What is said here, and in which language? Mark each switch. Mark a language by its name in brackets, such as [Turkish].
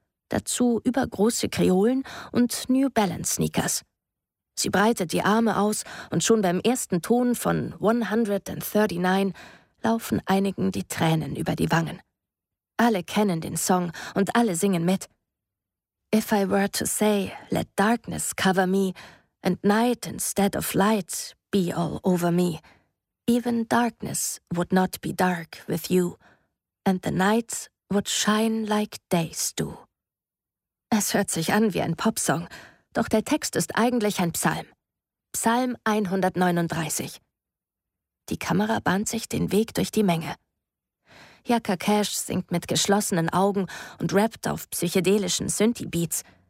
[German] Dazu übergroße Kreolen und New Balance Sneakers. Sie breitet die Arme aus und schon beim ersten Ton von 139 laufen einigen die Tränen über die Wangen. Alle kennen den Song und alle singen mit. [English] If I were to say, let darkness cover me and night instead of light be all over me. Even darkness would not be dark with you, and the nights would shine like days do. [German] Es hört sich an wie ein Popsong, doch der Text ist eigentlich ein Psalm. Psalm 139. Die Kamera bahnt sich den Weg durch die Menge. Yucca Cash singt mit geschlossenen Augen und rappt auf psychedelischen Synthie-Beats.